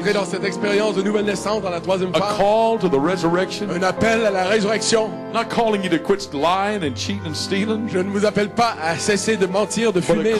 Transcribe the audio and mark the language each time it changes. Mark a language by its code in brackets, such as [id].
[fr] Entrer dans cette expérience de nouvelle naissance dans la troisième phase. [en] A call to the resurrection. [fr] Un appel à la résurrection. [en] Not calling you to quit lying and cheating and stealing. [fr] Je ne vous appelle pas à cesser de mentir, de fumer, de voler.